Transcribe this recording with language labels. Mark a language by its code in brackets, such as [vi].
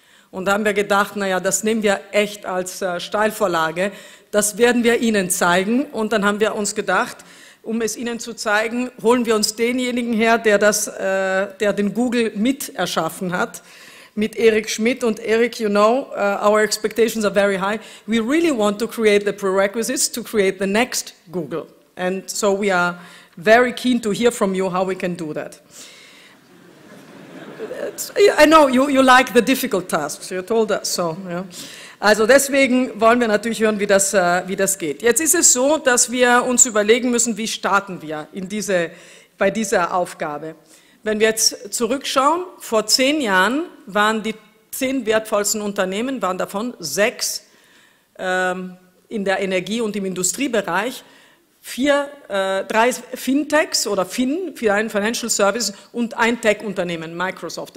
[de] Und da haben wir gedacht, naja, das nehmen wir echt als Steilvorlage, das werden wir Ihnen zeigen. Und dann haben wir uns gedacht, um es Ihnen zu zeigen, holen wir uns denjenigen her, der den Google mit erschaffen hat, mit Eric Schmidt. Und [en] Eric, you know, our expectations are very high. We really want to create the prerequisites to create the next Google. And so we are very keen to hear from you how we can do that. I know, you like the difficult tasks, you told us so. Yeah. [de] Also deswegen wollen wir natürlich hören, wie das geht. Jetzt ist es so, dass wir uns überlegen müssen, wie starten wir bei dieser Aufgabe. Wenn wir jetzt zurückschauen, vor 10 Jahren waren die 10 wertvollsten Unternehmen, waren davon 6 in der Energie- und im Industriebereich, 3 Fintechs oder Financial Services und ein Tech-Unternehmen, Microsoft.